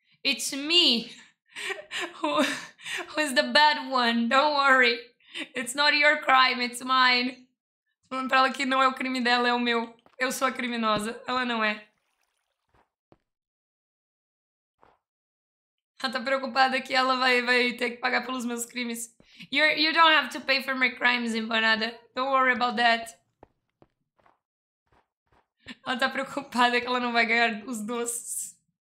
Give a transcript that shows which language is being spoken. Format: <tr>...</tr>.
<en>It's me who's the bad one. Don't worry. It's not your crime, it's mine.</en> <pt>Tô falando pra ela que não é o crime dela, é o meu. Eu sou a criminosa. Ela não é. Ela tá preocupada que ela vai ter que pagar pelos meus crimes.</pt> <en>You don't have to pay for my crimes, empanada. Don't worry about that.</en> <pt>Ela tá preocupada que ela não vai ganhar os doces.</pt>